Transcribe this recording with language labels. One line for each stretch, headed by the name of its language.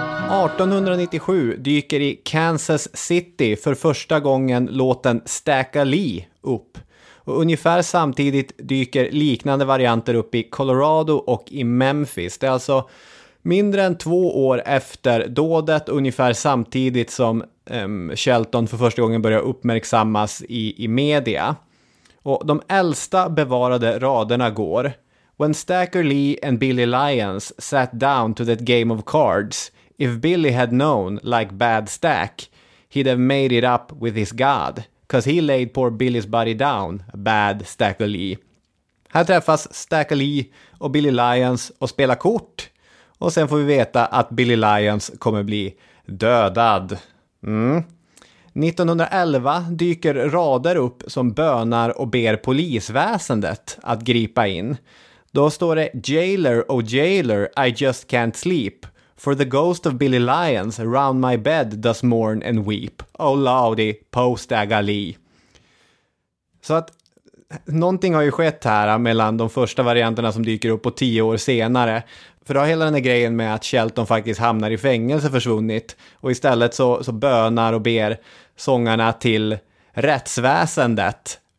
Swedish: ...1897 dyker i Kansas City för första gången låten Stacka Lee upp. Och ungefär samtidigt dyker liknande varianter upp i Colorado och i Memphis. Det är alltså mindre än 2 år efter dådet, ungefär samtidigt som Shelton för första gången börjar uppmärksammas i media. Och de äldsta bevarade raderna går:
English: "When Stacker Lee and Billy Lyons sat down to that game of cards, if Billy had known, like Bad Stack, he'd have made it up with his God, 'cause he laid poor Billy's body down, Bad Stacker Lee."
Swedish: Här träffas Stacker Lee och Billy Lyons och spelar kort. Och sen får vi veta att Billy Lyons kommer bli dödad. Mm. 1911 dyker rader upp som bönar och ber polisväsendet att gripa in. Då står det:
English: "Jailer, oh jailer, I just can't sleep. For the ghost of Billy Lyons round my bed does mourn and weep. Oh laudy, post agali."
Swedish: Så att någonting har ju skett här mellan de första varianterna som dyker upp och 10 år senare. För då har hela den här grejen med att Shelton faktiskt hamnar i fängelse försvunnit. Och istället så bönar och ber sångarna till rättsväsendet.